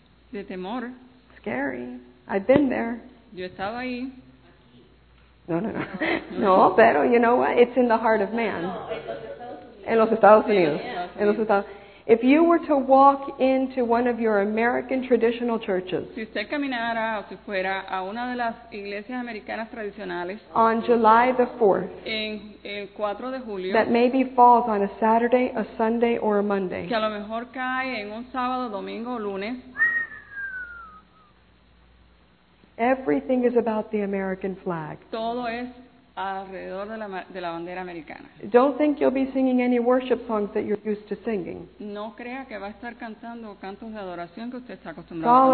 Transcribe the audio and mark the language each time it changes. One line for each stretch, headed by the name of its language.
Spanish: De temor.
English: Scary. I've been there.
Spanish: Yo estaba ahí. No. No, pero
English: you know what? It's in the heart of man.
Spanish: En los Estados Unidos.
English: If you were to walk into one of your American traditional churches,
Spanish: si usted caminara o si fuera a una de las iglesias americanas tradicionales,
English: on July the 4th,
Spanish: en el 4 de julio,
English: that maybe falls on a Saturday, a Sunday, or a Monday,
Spanish: que a lo mejor cae en un sábado, domingo, o lunes,
English: everything is about the American flag.
Spanish: Todo es alrededor de la bandera americana.
English: Don't think you'll be singing any worship songs that you're used to singing.
Spanish: No crea que va a estar cantando cantos de adoración que usted está acostumbrado.